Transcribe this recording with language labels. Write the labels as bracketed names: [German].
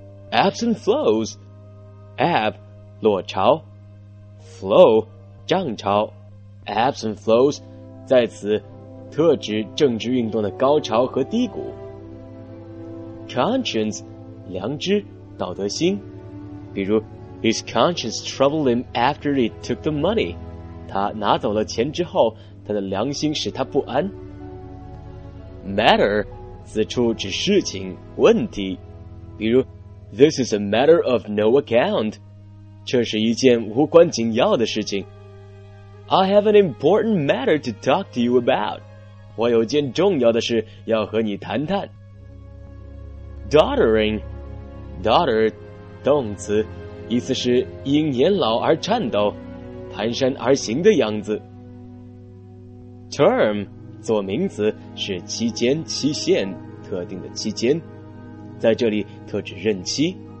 [English] Ebbs and flows， [Chinese] ebb 落潮， [English] flow [Chinese] 涨潮。 [English] Ebbs and flows [Chinese] 在此特指政治运动的高潮和低谷。 [English] Conscience [Chinese] 良知、道德心。比如 [English] His conscience troubled him after he took the money， [Chinese] 他拿走了钱之后，他的良心使他不安。 [English] Matter [Chinese] 此处指事情、问题。比如 [English] This is a matter of no account， [Chinese] 这是一件无关紧要的事情。 [English] I have an important matter to talk to you about. [Chinese] 我有件重要的事要和你谈谈。 [English] Doddering, [Chinese] dodder, 动词，意思是因年老而颤抖，蹒跚而行的样子。 [English] Term, [Chinese] 做名词，是期间、期限，特定的期间，在这里特指任期。